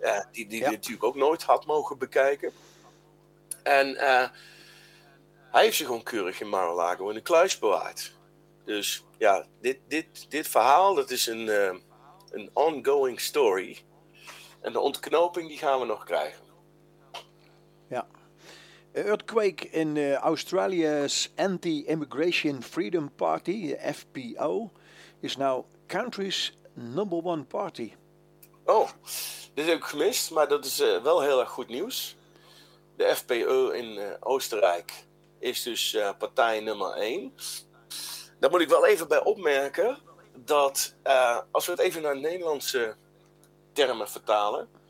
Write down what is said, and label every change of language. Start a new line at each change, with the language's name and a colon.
Dutch: Die natuurlijk ook nooit had mogen bekijken. En hij heeft ze gewoon keurig in Mar-a-Lago in de kluis bewaard. Dus ja, dit verhaal, dat is een
English: ongoing story.
Dutch: En de ontknoping, die gaan we nog krijgen. Ja.
English: Earthquake in Australia's Anti-Immigration Freedom Party, de FPO, is now country's number one party.
Dutch: Oh, dit heb ik gemist, maar dat is wel heel erg goed nieuws. De FPO in Oostenrijk is dus partij nummer 1. Daar moet ik wel even bij opmerken dat als we het even naar het Nederlandse termen vertalen.